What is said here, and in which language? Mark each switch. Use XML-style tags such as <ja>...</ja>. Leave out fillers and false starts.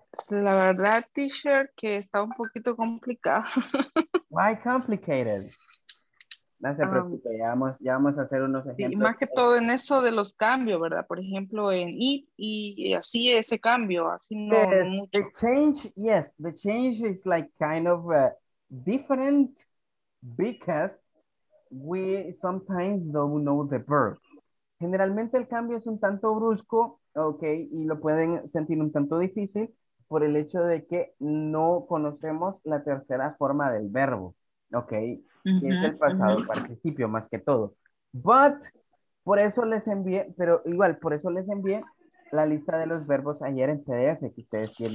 <es>La verdad, teacher, que está un poquito complicado.</es> <en>Why complicated?</en> <es>No se preocupe, ya vamos a hacer unos ejemplos. Sí, más que todo en eso de los cambios, ¿verdad? Por ejemplo, en it y así ese cambio, así no</es> <en>yes,</en> <es>mucho.</es> <en>The change, yes, the change is like kind of different because we sometimes don't know the verb.</en> <es>Generalmente el cambio es un tanto brusco, okay, y lo pueden sentir un tanto difícil por el hecho de que no conocemos la tercera forma del verbo, ¿ok? Uh-huh, es el pasado uh-huh. Participio, más que todo. But, por eso les envié, pero igual, por eso les envié la lista de los verbos ayer en PDF que ustedes tienen.</es>